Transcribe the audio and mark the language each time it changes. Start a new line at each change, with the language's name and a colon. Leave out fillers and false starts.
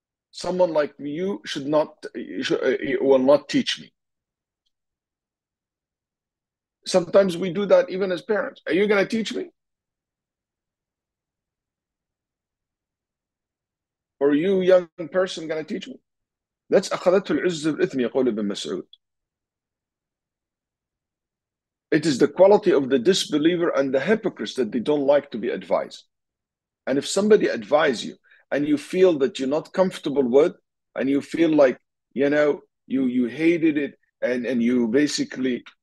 English: Someone like you should not, will not teach me. Sometimes we do that even as parents. Are you going to teach me? Or you young person going to teach me? That's
Arabic: أخذته العزة بالإثم, يقول ابن مسعود.
English: It is the quality of the disbeliever and the hypocrites that they don't like to be advised. And if somebody advise you and you feel that you're not comfortable with, and you feel like, you know, you hated it, and you basically...